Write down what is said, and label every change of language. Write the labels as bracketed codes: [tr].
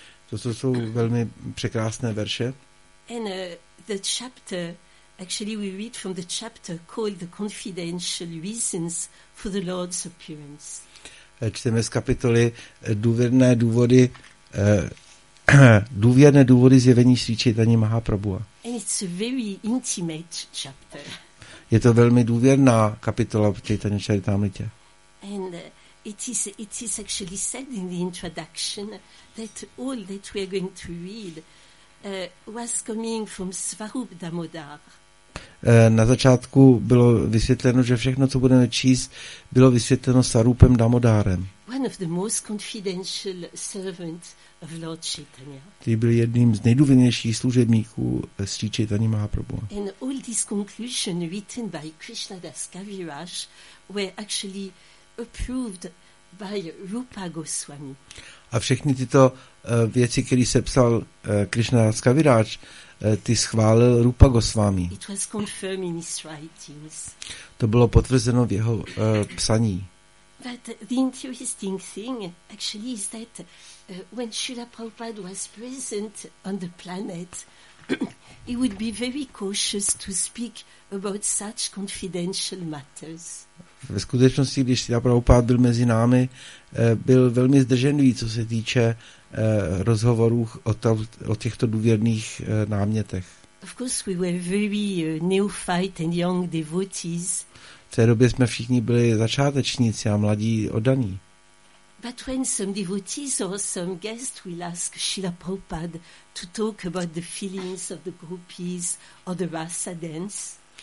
[cs] To jsou velmi překrásné verše. [en] And the chapter, actually we read from the chapter called The Confidential Reasons for the Lord's Appearance. [cs] Čteme z kapitoly důvěrné důvody zjevení Sri Chaitanya Mahaprabhu. [en] And it's a very intimate chapter. [cs] Je to velmi důvěrná kapitola Chaitanya Charitamrita. [en] And It is actually said in the introduction that all that we are going to read was coming from Svarup Damodar. [cs] Na začátku bylo vysvětleno, že všechno, co budeme číst, bylo vysvětleno Svarupem Damodarem. [en] One of the most confidential servants of Lord Chaitanya. [cs] Ty byl jedním z nejdůvěrnějších služebníků Sri Chaitanya Mahaprabhu. [en] And all this conclusion written by Krishnadas Kaviraj were actually approved by Rupa Goswami. [cs] A všechny tyto věci, které sepsal Krishnadas Kaviraj, ty schválil Rupa Goswami. [en] It was confirmed in his writings. [cs] To bylo potvrzeno v jeho psaní. [en] But the interesting thing actually is that when Srila Prabhupada was present on the planet, he would be very cautious to speak about such confidential matters. [cs] Ve skutečnosti, když Srila Prabhupada byl mezi námi, byl velmi zdrženlivý, co se týče rozhovorů o těchto důvěrných námětech. [en] Of course we were very neophyte and young devotees. [cs] V té době jsme všichni byli začátečníci a mladí oddaní. [en] But when some devotees or some guests will ask Srila Prabhupada to talk about the feelings of the gopis or the rasa dance,